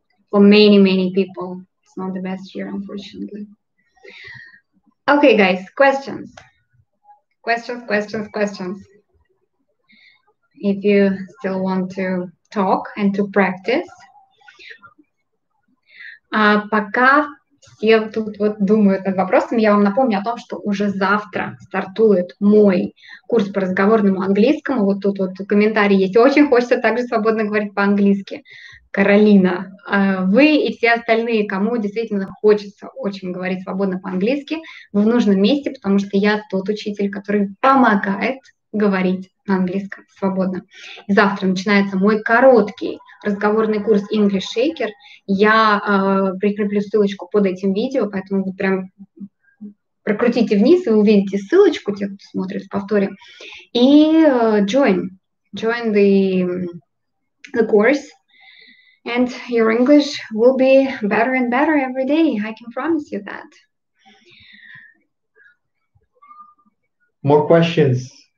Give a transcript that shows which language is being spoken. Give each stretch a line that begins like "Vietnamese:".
English: for many, many people. It's not the best year, unfortunately. Okay, guys, questions. Questions, questions, questions. If you still want to talk and to practice.
Russian: Пока все тут вот думают над вопросами, я вам напомню о том, что уже завтра стартует мой курс по разговорному английскому. Вот тут вот комментарий есть. Очень хочется также свободно говорить по-английски. Каролина, вы и все остальные, кому действительно хочется очень говорить свободно по-английски, вы в нужном месте, потому что я тот учитель, который помогает говорить на английском свободно. И завтра начинается мой короткий разговорный курс English Shaker. Я прикреплю ссылочку под этим видео, поэтому вы прям прокрутите вниз и увидите ссылочку, те, кто смотрит в повторе.
English: И join the course, and your English will be better and better every day. I can promise you that. More questions?